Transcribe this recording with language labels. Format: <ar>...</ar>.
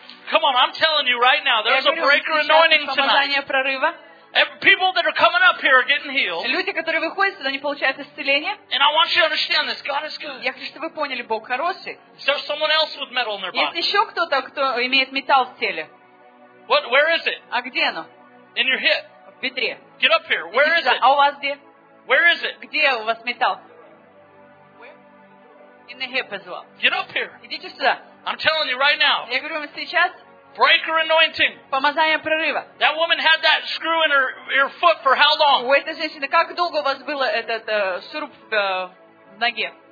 <en>Come on, I'm telling you right now, there's a breaker anointing tonight. People that are coming up here are getting healed.</en> <ru>Люди, которые выходят сюда, они получают исцеление.</ru> <en>And I want you to understand this. God is good.</en> <ru>Я хочу, чтобы вы поняли, Бог хороший.</ru> <en>Is there someone else with metal in their body?</en> <ru>Есть еще кто-то, кто имеет металл в теле?</ru> <en>What? Where is it?</en> <ru>А где оно?</ru> <en>In your hip.</en> <ru>В бедре.</ru> <en>Get up here. Where is it?</en> <ru>А у вас где?</ru> <en>Where is it?</en> <ru>Где у вас металл?</ru> <en>Where? In the hip as well. Get up here.</en> <ru>Идите сюда.</ru> <en>I'm telling you right now.</en> <ru>Я говорю вам сейчас.</ru> <en>Breaker anointing.</en> <ru>Помазание прорыва.</ru> <en>That woman had that screw in her foot for how long?</en> <ru>У этой женщины как долго у вас было этот шуруп в ноге?</ru>